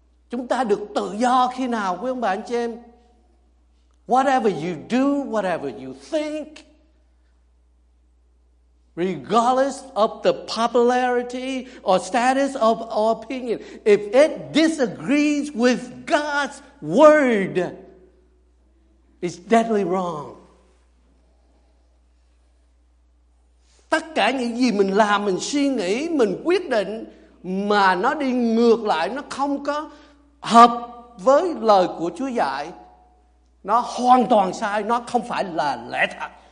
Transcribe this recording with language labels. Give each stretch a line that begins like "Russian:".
Vietnamese: Chúng ta được tự do khi nào, quý ông bà anh chị em?
English: Whatever you do, whatever you think, regardless of the popularity or status of our opinion, if it disagrees with God's word, it's deadly wrong.
Vietnamese: Tất cả những gì mình làm, mình suy nghĩ, mình quyết định mà nó đi ngược lại, nó không có hợp với lời của Chúa dạy, nó hoàn toàn sai, nó không phải là lẽ thật.